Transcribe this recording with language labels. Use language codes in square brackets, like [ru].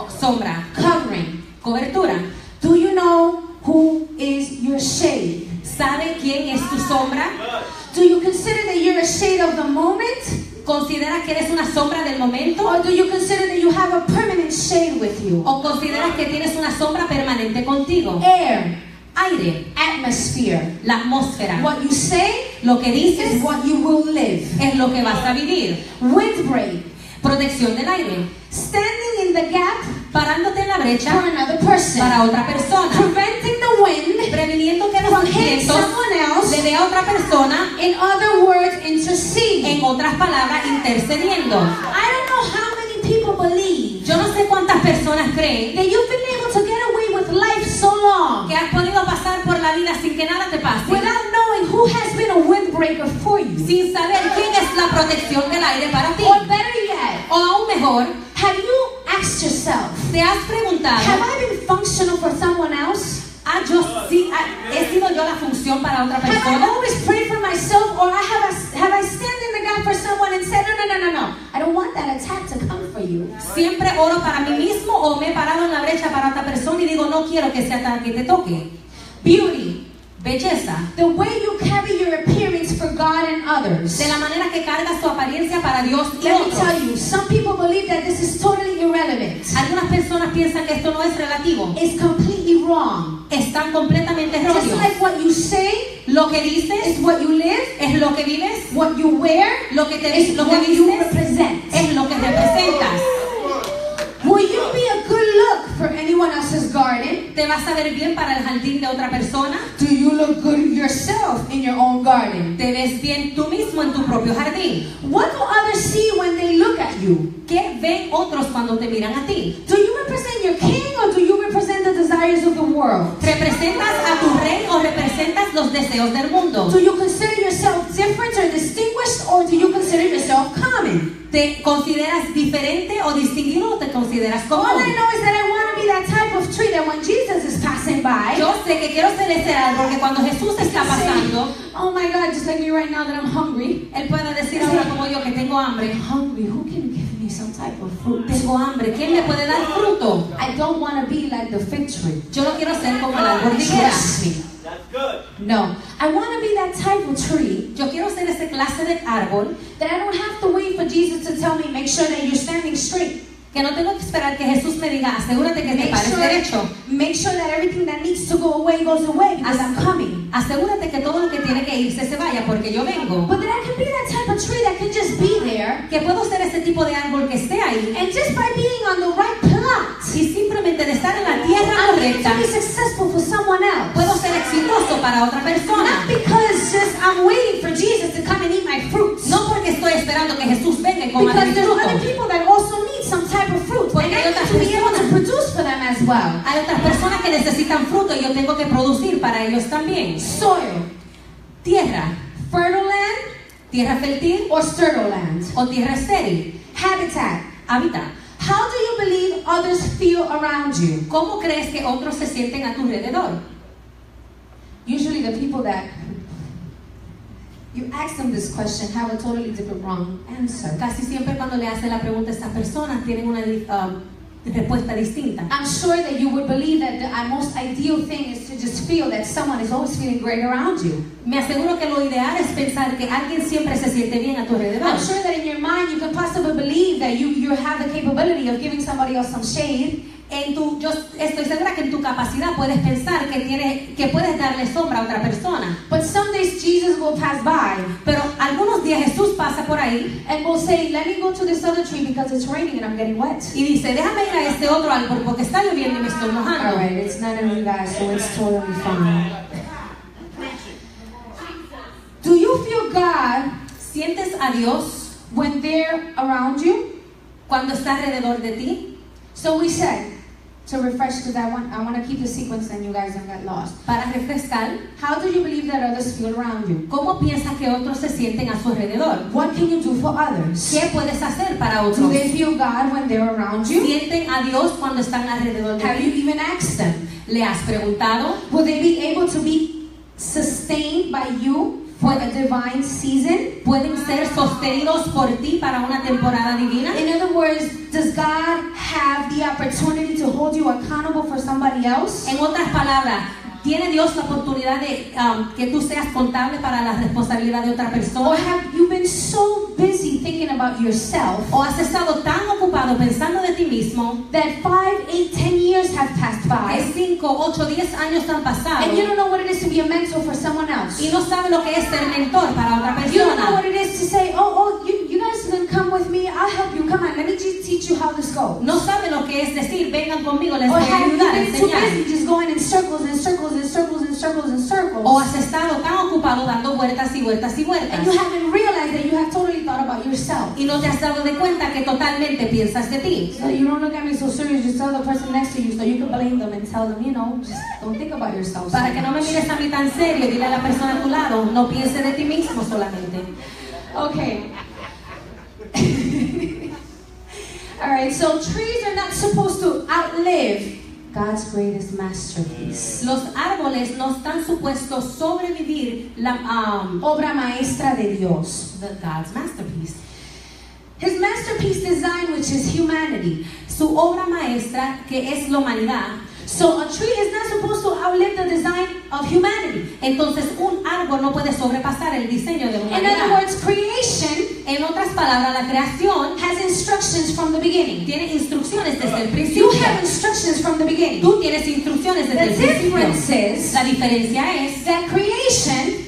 [es] sombra, [en] covering, [es] cobertura. [en] Do you know who is your shade? [es] ¿Sabe quién es tu sombra? [en] Do you consider that you're a shade of the moment? [es] ¿Consideras que eres una sombra del momento? [en] Or do you consider that you have a permanent shade with you? [es] ¿O consideras que tienes una sombra permanente contigo? [en] Air. [es] Aire. [en] Atmosphere. [es] La atmósfera. [en] What you say, [es] lo que dices, [en] is what you will live. [es] Es lo que vas a vivir. [en] Windbreak. [es] Protección del aire. [en] Standing in the gap, [es] parándote en la brecha, [en] for another person, [es] para otra persona. [en] Preventing the wind, [es] previniendo que [en] from hitting someone else, [es] le dé a otra persona. [en] In other words, interceding. [es] En otras palabras, intercediendo. [en] I don't know how many people believe. [es] Yo no sé cuántas personas creen. [en] That you've been able to get away with life so long. [es] Que has podido pasar por la vida sin que nada te pase. [en] Without knowing who has been a windbreaker for you. [es] Sin saber quién es la protección del aire para ti. [en] Or better yet. [es] O aún mejor. [en] Have you asked yourself? [es] ¿Te has preguntado? [en] Have I been functional for someone else? [es] Ah, yo, sí, ¿he sido yo la función para otra persona? [en] Have I always prayed for myself, or have I stand in the gap for someone and said, no, I don't want that attack to come for you. [es] Siempre oro para mí mismo o me he parado en la brecha para otra persona y digo no quiero que sea tan que te toque. [en] Beauty. [es] Belleza. [en] The way you carry your appearance for God and others. [es] De la manera que cargas tu apariencia para Dios y [en] let [es] otros. [en] Me tell you, some people believe that this is totally irrelevant. [es] Algunas personas piensan que esto no es relativo. [en] It's completely wrong. [es] Están completamente erróneos. [en] Just like what you say, [es] lo que dices, [en] is what you live, [es] es lo que vives. [en] What you wear, [es] lo que te [en] is [es] lo [en] what [es] que vistes, [en] you represent. [es] Es lo que representas. [en] Will you be a good look for anyone else's garden? [es] ¿Te vas a ver bien para el jardín de otra persona? [en] Do you look good yourself in your own garden? [es] ¿Te ves bien tú mismo en tu propio jardín? [en] What do others see when they look at you? [es] ¿Qué ven otros cuando te miran a ti? [en] Do you represent your king or do you represent the desire? desires of the world? [es] ¿Representas a tu rey o representas los deseos del mundo? [en] Do you consider yourself different or distinguished, or do you consider yourself common? [es] ¿Te consideras diferente o distinguido o te consideras común? [en] All I know is that I want to be that type of tree that when Jesus is passing by. [es] Yo sé que quiero ser ese árbol que cuando Jesús está pasando. [en] Oh my God, just like me right now that I'm hungry. [es] Él pueda decir ahora como yo que tengo hambre. [en] Hungry? Who can give me some type of fruit? [es] Tengo hambre. ¿Quién me puede dar fruto? [en] I don't want to be like the fig tree. [es] Yo no quiero ser como el árbol de higuera. [en] That's good. No, I want to be that type of tree. [es] Yo quiero ser ese clase de árbol [en] that I don't have to wait for Jesus to tell me, make sure that you're standing straight. [es] Que no tengo que esperar que Jesús me diga, asegúrate que te pares derecho. [en] Make sure that everything that needs to go away goes away, because I'm coming. [es] Asegúrate que todo lo que tiene que irse se vaya, porque yo vengo. [en] But that I can be that type of tree that can just be there. [es] Que puedo ser ese tipo de árbol que esté ahí. [en] And just by being on the right plot. [es] Y simplemente de estar en la tierra correcta. [en] I'm able to be successful for someone else. [es] Puedo ser exitoso para otra persona. [en] Not because just I'm waiting for Jesus to come and eat my fruits. [es] No porque estoy esperando que Jesús venga y coma mi fruto. [en] Because there's other people that also need some type of fruit. [es] Porque [en] and I have to be able to produce for them as well. [es] Hay otras personas que necesitan fruto y yo tengo que producir para ellos también. [en] Soil. [es] Tierra. [en] Fertile land. [es] Tierra fértil. [en] Or sterile land. [es] O tierra estéril. [en] Habitat. [es] Habitat. [en] How do you believe others feel around you? [es] ¿Cómo crees que otros se sienten a tu alrededor? [en] Usually the people that you ask them this question have a totally different wrong answer. [es] Casi siempre cuando le hacen la pregunta a esta persona tienen una respuesta distinta. [en] I'm sure that you would believe that the most ideal thing is to just feel that someone is always feeling great around you. [es] Me aseguro que lo ideal es pensar que alguien siempre se siente bien a tu alrededor. [en] I'm sure that in your mind you can possibly believe that you have the capability of giving somebody else some shade. [es] Yo estoy segura que en tu capacidad puedes pensar que puedes darle sombra a otra persona. [en] But some days Jesus will pass by. [es] Pero algunos días Jesús pasa por ahí. [en] And will say, let me go to this other tree because it's raining and I'm getting wet. [es] Y dice, déjame ir a este otro árbol porque está lloviendo y me estoy mojando. [en] All right, it's not a new guy, so it's totally fine. Do you feel God? [es] ¿Sientes a Dios? [en] When they're around you? [es] Cuando está alrededor de ti. [en] So we said, to refresh, because I want to keep the sequence and you guys don't get lost. [es] Para refrescar, [en] how do you believe that others feel around you? [es] ¿Cómo piensas que otros se sienten a su alrededor? [en] What can you do for others? [es] ¿Qué puedes hacer para otros? [en] Do they feel God when they're around you? [es] ¿Sienten a Dios cuando están alrededor de ti? [en] Have you even asked them? [es] ¿Le has preguntado? [en] Will they be able to be sustained by you for a divine season? [es] ¿Pueden ser sostenidos por ti para una temporada divina? [en] In other words, does God have the opportunity to hold you accountable for somebody else? [es] En otras palabras, ¿tiene Dios la oportunidad de que tú seas contable para la responsabilidad de otra persona? [en] Or have you been so busy thinking about yourself? [es] ¿O has estado tan ocupado pensando de ti mismo? [en] That 5, 8, 10 years have passed by. [es] Que 5, 8, 10 años han pasado. [en] And you don't know what it is to be a mentor for someone else. [es] Y no sabes lo que es ser mentor para otra persona. [en] You don't know what it is to say, you guys can come with me, I'll help you, come on, let me just teach you how this goes. [es] No sabes lo que es decir, vengan conmigo, les [en] or [es] voy a ayudar, enseñar. [en] Or have you been too busy just going in circles and circles and circles and circles and circles. [es] O has estado tan ocupado dando vueltas y vueltas y vueltas. [en] And you haven't realized that you have totally thought about yourself. [es] Y no te has dado de cuenta que totalmente piensas de ti. [en] So you don't look at me so serious. You tell the person next to you so you can blame them and tell them, you know, just don't think about yourself. [es] Para [en] so [es] que [en] much. [es] No me mires a mí tan serio, dile a la persona a tu lado, no piense de ti mismo solamente. [en] Okay. All right. So trees are not supposed to outlive God's greatest masterpiece. [es] Los árboles no están supuestos sobrevivir la obra maestra de Dios. [en] The God's masterpiece. His masterpiece design, which is humanity. [es] Su obra maestra, que es la humanidad. [en] So a tree is not supposed to outlive the design of humanity. [es] Entonces un árbol no puede sobrepasar el diseño de la humanidad. [en] In other words, creation, [es] en otras palabras, la creación, [en] has instructions from the beginning. [es] Tiene instrucciones desde el principio. [en] You have instructions from the beginning. [es] Tú tienes instrucciones desde [en] the [es] el principio. [en] Is, [es] la diferencia es [en] that creation,